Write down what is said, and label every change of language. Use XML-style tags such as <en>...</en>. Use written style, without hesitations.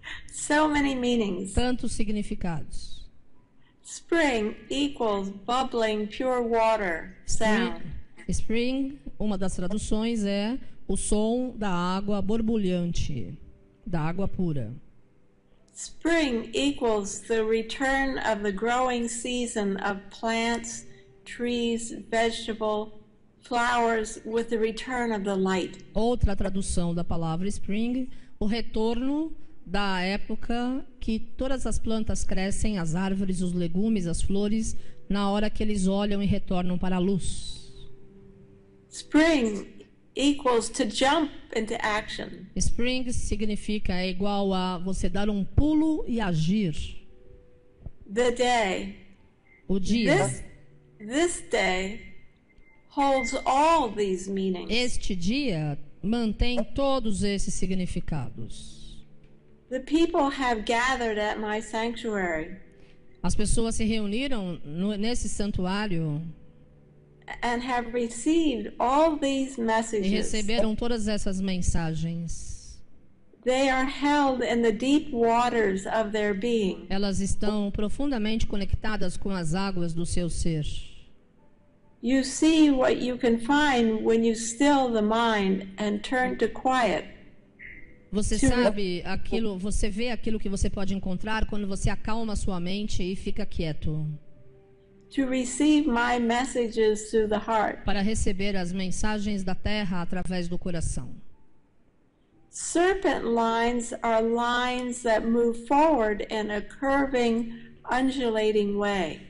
<en>So many meanings.</en> <pt>Tantos significados.</pt> <en>Spring equals bubbling pure water sound.</en> <pt>Spring, uma das traduções é o som da água borbulhante, da água pura.</pt> <en>Spring equals the return of the growing season of plants, trees, vegetables, flowers with the return of the light.</en> <pt>Outra tradução da palavra spring, o retorno da época que todas as plantas crescem, as árvores, os legumes, as flores, na hora que eles olham e retornam para a luz.</pt> <en>Spring equals to jump into action.</en> <pt>Spring significa é igual a você dar um pulo e agir.</pt> <en>The day.</en> <pt>O dia.</pt> <en>This day holds all these meanings.</en> <pt>Este dia mantém todos esses significados.</pt> <en>The people have gathered at my sanctuary.</en> <pt>As pessoas se reuniram nesse santuário.</pt> <en>And have received all these messages.</en> <pt>E receberam todas essas mensagens.</pt> <en>They are held in the deep waters of their being.</en> <pt>Elas estão profundamente conectadas com as águas do seu ser.</pt> <en>You see what you can find when you still the mind and turn to quiet.</en> <pt>Você sabe aquilo, você vê aquilo que você pode encontrar quando você acalma sua mente e fica quieto.</pt> <en>To receive my messages through the heart.</en> <pt>Para receber as mensagens da terra através do coração.</pt> <en>Serpent lines are lines that move forward in a curving, undulating way.</en>